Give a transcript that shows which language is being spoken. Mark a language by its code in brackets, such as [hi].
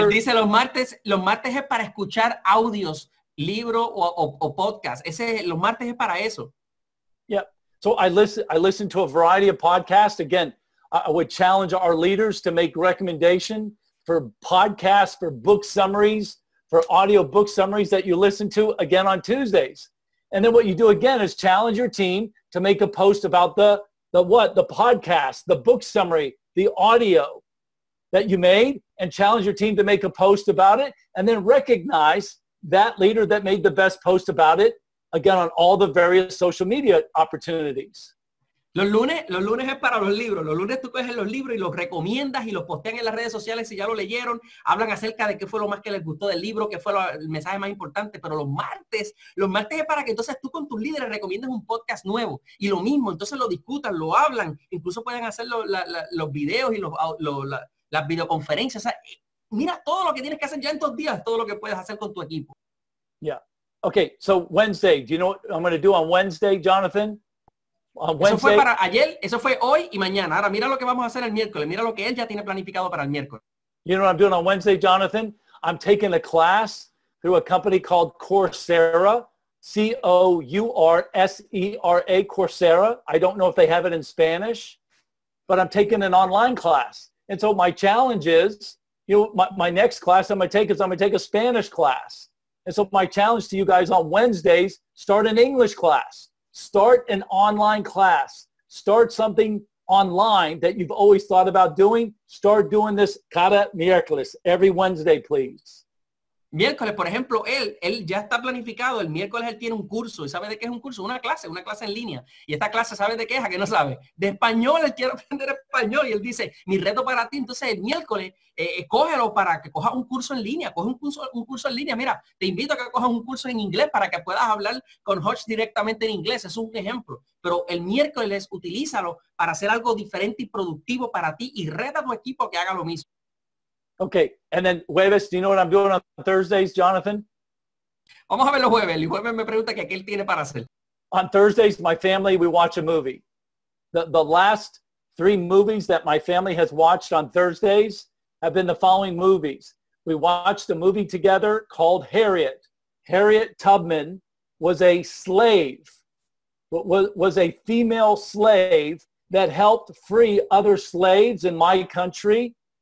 [es] Él dice los martes es para escuchar audios, libro o podcast. Los martes es para eso. [en] Yeah. So I listen to a variety of podcasts. Again, I would challenge our leaders to make recommendation for podcasts, for book summaries, for audio book summaries that you listen to again on Tuesdays. And then what you do again is challenge your team to make a post about the podcast, the book summary, the audio that you made, and challenge your team to make a post about it, and then recognize that leader that made the best post about it again on all the various social media opportunities. [es] Los lunes es para los libros. Los lunes tú coges los libros y los recomiendas y los postean en las redes sociales si ya lo leyeron. Hablan acerca de qué fue lo más que les gustó del libro, qué fue el mensaje más importante. Pero los martes es para que entonces tú con tus líderes recomiendas un podcast nuevo. Y lo mismo, entonces lo discutan, lo hablan. Incluso pueden hacer los videos y las videoconferencias. O sea, mira todo lo que tienes que hacer ya en estos días, todo lo que puedes hacer con tu equipo. [en] Yeah. Okay, so Wednesday. Do you know what I'm going to do on Wednesday, Jonathan? [es] Eso fue para ayer, eso fue hoy y mañana. Ahora mira lo que vamos a hacer el miércoles. Mira lo que él ya tiene planificado para el miércoles. [en] You know what I'm doing on Wednesday, Jonathan? I'm taking a class through a company called Coursera, Coursera, Coursera. I don't know if they have it in Spanish, but I'm taking an online class. And so my challenge is, you know, my next class I'm going to take is I'm going to take a Spanish class. And so my challenge to you guys on Wednesdays, start an English class. Start an online class. Start something online that you've always thought about doing. Start doing this [es] cada miércoles, [en] every Wednesday, please. [es] Miércoles, por ejemplo, él ya está planificado. El miércoles él tiene un curso. ¿Y sabe de qué es un curso? Una clase en línea. Y esta clase, ¿sabe de qué es? ¿A qué no sabe? De español, él quiere aprender español. Y él dice, mi reto para ti. Entonces, el miércoles, cógelo para que cojas un curso en línea. Coge un curso en línea. Mira, te invito a que cojas un curso en inglés para que puedas hablar con Hutch directamente en inglés. Es un ejemplo. Pero el miércoles, utilízalo para hacer algo diferente y productivo para ti. Y reta a tu equipo que haga lo mismo. [en] Okay, and then jueves, do you know what I'm doing on Thursdays, Jonathan? [es] Vamos a ver los jueves. El jueves me pregunta que qué él tiene para hacer. [en] On Thursdays, my family, we watch a movie. The last three movies that my family has watched on Thursdays have been the following movies. We watched a movie together called Harriet. Harriet Tubman was a slave, was a female slave that helped free other slaves in my country.